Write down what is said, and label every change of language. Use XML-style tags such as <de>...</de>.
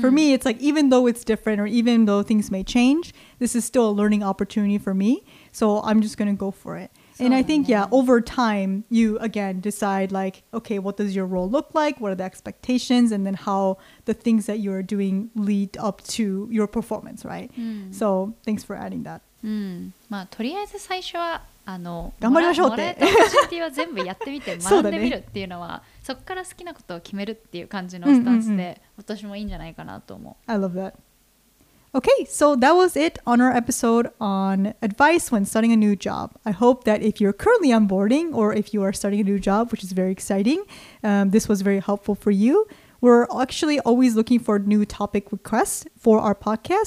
<en>For me, it's like, even though it's different or even though things may change, this is still a learning opportunity for me. So I'm just going to go for it. So, and I think, yeah, over time, you again decide like, okay, what does your role look like? What are the expectations? And then how the things that you're doing lead up to your performance, right? Mm. So thanks for adding that. Mm.</en> <ja>まあ、とりあえず最初は、頑張りましょうって。もらえたオブジェクティブは全部やってみて、学んでみるっていうのは、そこから好きなことを決めるっていう感じのスタンスで、私もいいんじゃないかなと思う。</ja> <en>I love that. Okay, so that was it on our episode on advice when starting a new job. I hope that if you're currently onboarding or if you are starting a new job, which is very exciting, this was very helpful for you. We're actually always looking for new topic requests for our podcast.</en>